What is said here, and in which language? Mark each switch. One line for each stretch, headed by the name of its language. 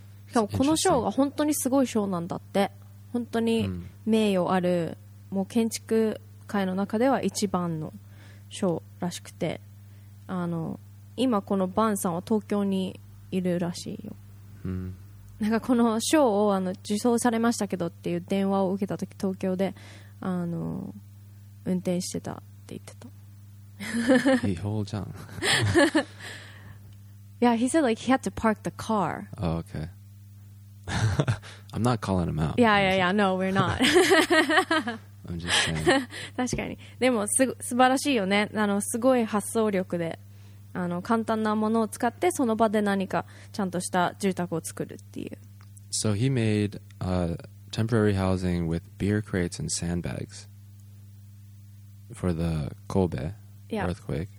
Japanese: しかもこの賞が本当にすごい賞なんだって。本当に名誉ある、うん、もう建築会の中では一番の賞らしくて、あの今このバンさんは東京にいるらしいよ、うん、なんかこの賞をあの受賞されましたけどっていう電話を受けた時東京であの運転してたって言ってた。違法じゃん。
English: Yeah, he said like he had to park the car. Oh, okay. I'm not calling him out. Yeah, yeah, yeah. No, we're not. I'm just
Japanese: 確かに。でも素晴らしいよね。あのすごい発想力で、あの簡単なものを使ってその場で何かちゃんとした住宅を作るっていう。
English: So he made a temporary housing with beer crates and sandbags for the Kobe earthquake.